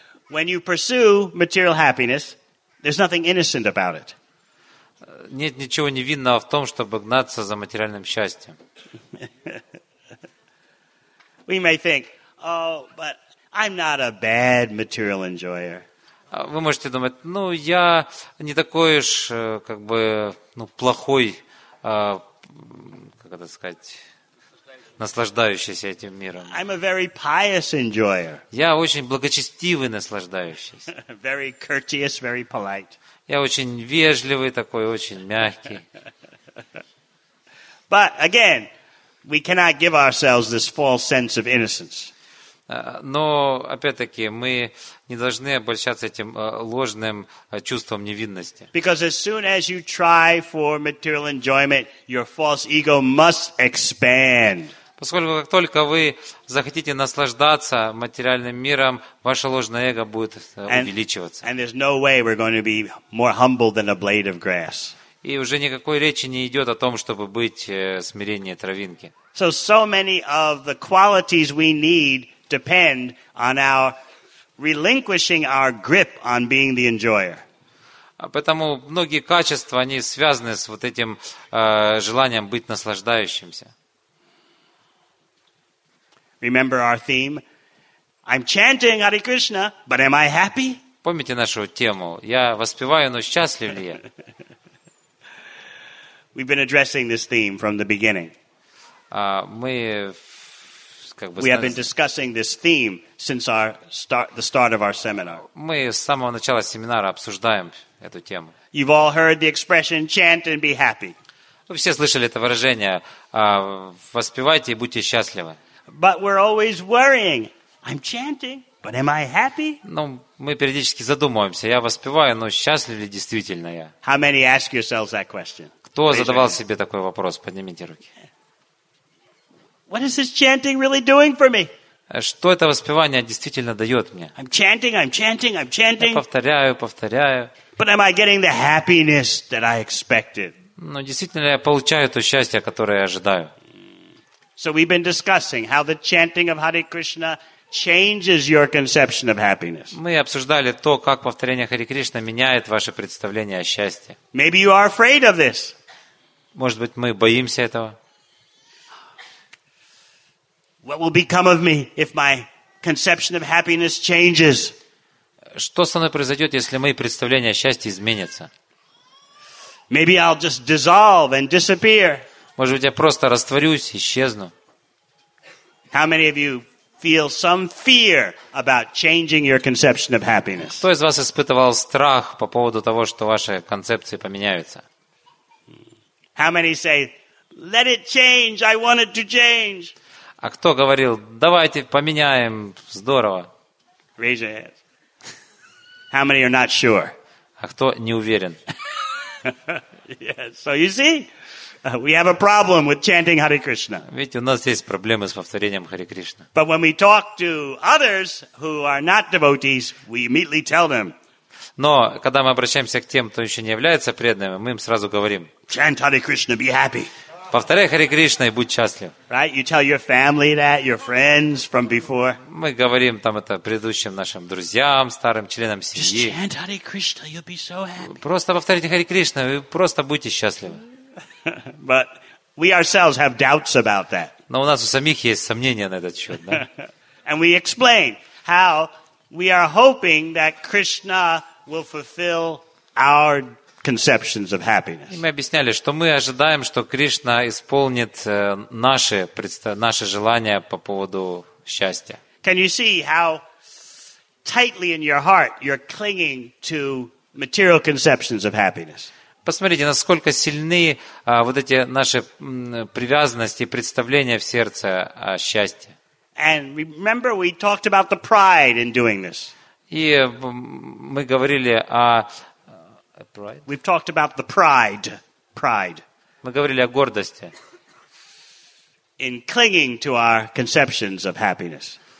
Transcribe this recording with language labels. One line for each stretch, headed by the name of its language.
English: When you pursue material happiness, there's nothing innocent about it.
Russian: Нет ничего невинного в том, чтобы гнаться за материальным счастьем.
English: We may think, oh, but I'm not a bad material enjoyer.
Russian: Вы можете думать, ну, я не такой уж, как бы, ну, плохой, как это сказать, наслаждающийся этим миром.
English: I'm a very pious enjoyer.
Russian: Я очень благочестивый наслаждающийся.
English: Very courteous, very polite.
Russian: Я очень вежливый такой, очень мягкий.
English: But again, we cannot give ourselves this false sense of innocence.
Russian: Но, опять-таки, мы не должны обольщаться этим ложным чувством невинности.
English: Because as soon as you try for material enjoyment, your false ego must expand.
Russian: Поскольку как только вы захотите наслаждаться материальным миром, ваше ложное эго будет увеличиваться.
English: And there's no way we're going to be more humble than a blade of grass.
Russian: И уже никакой речи не идет о том, чтобы быть смиреннее травинки.
English: So many of the qualities we need depend on our relinquishing our grip on being the enjoyer.
Russian: Поэтому многие качества, они связаны с вот этим желанием быть наслаждающимся.
English: Remember our theme? I'm chanting Hare Krishna, but am I happy?
Russian: Помните нашу тему? Я воспеваю, но счастлив ли я?
English: We've been addressing this theme from the beginning. We have been discussing this theme since the start of our seminar.
Russian: Мы с самого начала семинара обсуждаем эту тему.
English: You've all heard the expression chant and be happy.
Russian: Вы все слышали это выражение: воспевайте и будьте счастливы.
English: But we're always worrying. I'm chanting, but am I happy?
Russian: Ну, мы периодически задумываемся. Я воспеваю, но счастлив ли действительно я?
English: How many ask yourselves that question?
Russian: Кто задавал себе такой вопрос? Поднимите руки.
English: What is this chanting really doing for me?
Russian: Что это воспевание действительно дает мне?
English: I'm chanting, I'm chanting, I'm chanting.
Russian: Я повторяю, повторяю.
English: But am I getting the happiness that I expected?
Russian: Ну, действительно ли я получаю то счастье, которое я ожидаю?
English: So we've been discussing how the chanting of Hare Krishna changes your conception of happiness.
Russian: Мы обсуждали то, как повторение Хари Кришна меняет ваше представление о счастье.
English: Maybe you are afraid of this.
Russian: Может быть, мы боимся этого.
English: What will become of me if my conception of happiness changes?
Russian: Что со мной произойдет, если мои представления о счастье изменятся?
English: Maybe I'll just dissolve and disappear.
Russian: Может быть, я просто растворюсь, исчезну.
English: How many of you feel some fear about changing your conception of happiness?
Russian: Кто из вас испытывал страх по поводу того, что ваши концепции поменяются?
English: How many say, "Let it change, I want it to change"?
Russian: А кто говорил, давайте поменяем, здорово?
English: Raise your hands. How many are not sure?
Russian: А кто не уверен?
English: Yes. So you see, we have a problem with chanting Hare Krishna.
Russian: Видите, у нас есть проблемы с повторением Хари Кришна.
English: But when we talk to others who are not devotees, we immediately tell them.
Russian: Но когда мы обращаемся к тем, кто еще не является преданными, мы им сразу говорим.
English: Chant Hare Krishna, be happy.
Russian: Повторяй Хари Кришна и будь счастлив.
English: Right? You tell your family that, your friends from before.
Russian: Мы говорим там это предыдущим нашим друзьям, старым членам семьи.
English: Just chant Hare Krishna, you'll be so happy.
Russian: Просто повторите Хари Кришна и просто будьте счастливы.
English: But we ourselves have doubts about that.
Russian: Но у нас у самих есть сомнения на этот счет, да?
English: And we explain how we are hoping that Krishna will fulfill our conceptions of happiness.
Russian: И мы объясняли, что мы ожидаем, что Кришна исполнит наши желания по поводу счастья.
English: Can you see how tightly in your heart you're clinging to material conceptions of happiness?
Russian: Посмотрите, насколько сильны вот эти наши привязанности и представления в сердце о счастье.
English: And remember, we talked about the pride in doing this.
Russian: И мы говорили о
English: pride. We've talked about the pride. Pride.
Russian: Мы говорили о гордости.
English: In clinging to our conceptions of happiness.